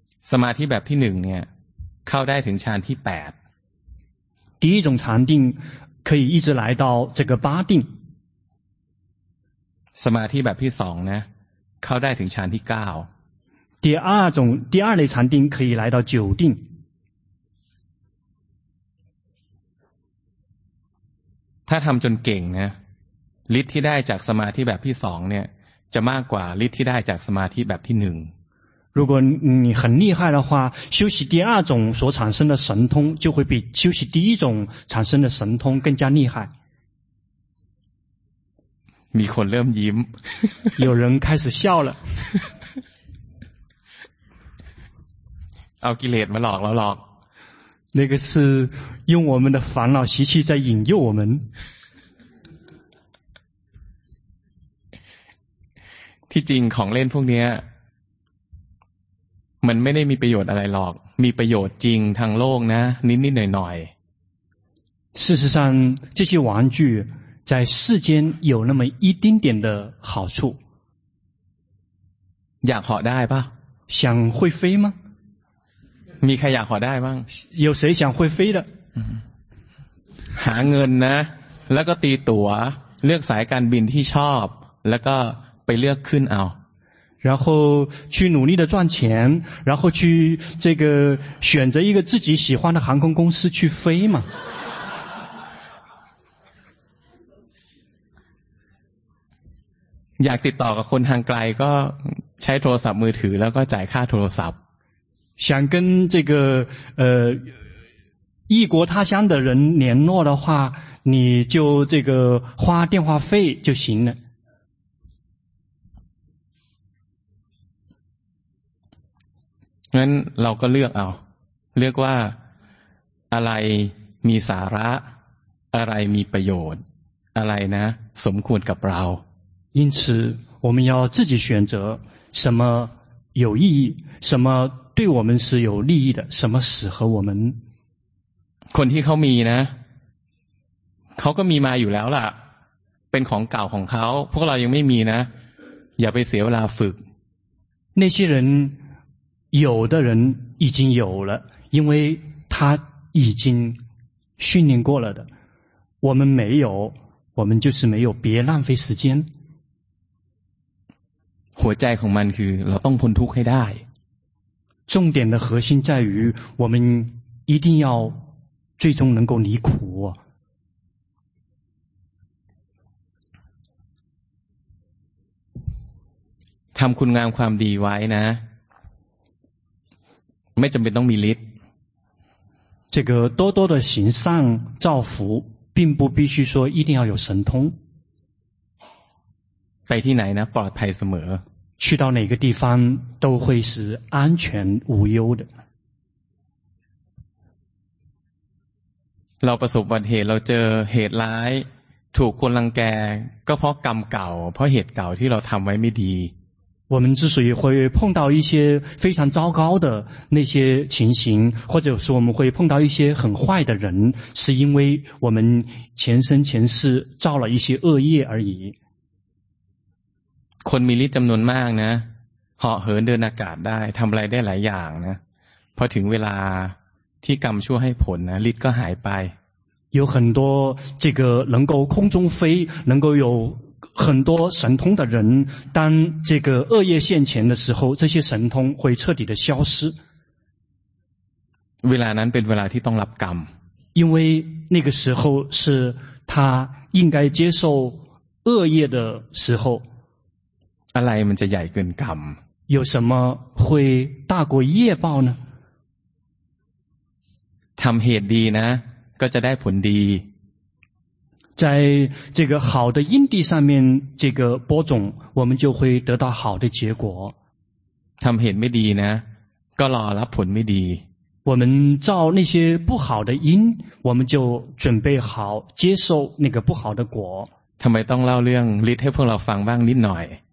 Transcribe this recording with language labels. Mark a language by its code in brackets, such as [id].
[th] สมาธิแบบที่หนึ่งเนี่ยเข้าได้ถึงฌานที่8 [zh] 第一种禅定可以一直来到这个八定 [th] สมาธิแบบที่สองเนี่ยเข้าได้ถึงฌานที่9 [zh] 第二类禅定可以来到九定。 [th] ถ้าทำจนเก่งนะฤทธิ์ที่ได้จากสมาธิแบบที่สองเนี่ยจะมากกว่าฤทธิ์ที่ได้จากสมาธิแบบที่หนึ่ง [zh] 如果你很厉害的话修习第二种所产生的神通就会比修习第一种产生的神通更加厉害 [th] มีคนเริ่มยิ้ม [zh] 有人开始笑了 [th] เอากิเลสมาหลอกเราหลอก [zh] 那个是用我们的烦恼习气在引诱我们 [th] ที่จริงของเล่นพวกนี้มันไม่ได้มีประโยชน์อะไรหรอกมีประโยชน์จริงทางโลกนะนิดๆหน่อย [zh] ๆ事实上这些玩具在世间有那么一丁点的好处 [th] อยากเหาะได้ป่ะ [zh] 想会飞吗 [th] มีใครอยากขอได้บ้าง [zh] 有谁想会飞的 [th] หาเงินนะแล้วก็ตีตั๋วเลือกสายการบินที่ชอบแล้วก็ไปเลือกขึ้นเอา [zh] 然后去努力的赚钱然后去这个选择一个自己喜欢的航空公司去飞嘛 [th] อยากติดต่อกับคนทางไกลก็ใช้โทรศัพท์มือถือแล้วก็จ่ายค่าโทรศัพท์ [zh] 想跟这个异国他乡的人联络的话，你就这个花电话费就行了。 [th] งั้นเราก็เลือกเอาเลือกว่าอะไรมีสาระอะไรมีประโยชน์อะไรนะสมควรกับเรา [zh] 因此我们要自己选择什么有意义什么对我们是有利益的什么适合我们 [th] คนที่เขามีนะเขาก็มีมาอยู่แล้วล่ะเป็นของเก่าของเขาพวกเรายังไม่มีนะอย่าไปเสียเวลาฝึก [zh] 那些人有的人已经有了因为他已经训练过了的我们没有我们就是没有别浪费时间 [th] หัวใจของมันคือเราต้องพ้นทุกข์ให้ได้ [zh] 重点的核心在于我们一定要最终能够离苦 [th] ทำคุณงามความดีไว้นะไม่จำเป็นต้องมีฤทธิ์ [zh] 这个多多的行善造福并不必须说一定要有神通 [th] ไปที่ไหนนะปลอดภัยเสม [zh] อ去到哪个地方都会是安全无忧的 [th] เราประสบอุบัติเหตุเราเจอเหตุร้ายถูกคนรังแกก็เพราะกรรมเก่าเพราะเหตุเก่าที่เราทำไว้ไม่ดี [zh] 我们之所以会碰到一些非常糟糕的那些情形，或者说我们会碰到一些很坏的人，是因为我们前生前世造了一些恶业而已。 [th] คนมีฤทธิ์จำนวนมากนะ，เหาะเหินเดินอากาศได้ทำอะไรได้หลายอย่างนะ，พอถึงเวลาที่กรรมชั่วให้ผลนะฤทธิ์ก็หายไป。 [zh] 有很多这个能够空中飞，能够有很多神通的人，当这个恶业现前的时候，这些神通会彻底的消失。 [th] เวลานั้นเป็นเวลาที่ต้องรับกรรม。 [zh] 因为那个时候是他应该接受恶业的时候。 [th] อะไรมันจะใหญ่เกินกรรม？ [zh] 有什么会大过业报呢？ [th] ทำเหตุดีนะก็จะได้ผลดี [zh] 在这个好的因地上面这个播种我们就会得到好的结果 [th] ทำเหตุไม่ดีนะก็รอรับผลไม่ดี [zh] 我们造那些不好的因我们就准备好接受那个不好的果 [th] ทำไมต้องเล่าเรื่องฤทธิ์ให้พวกเราฟังบ้างนิดหน่อย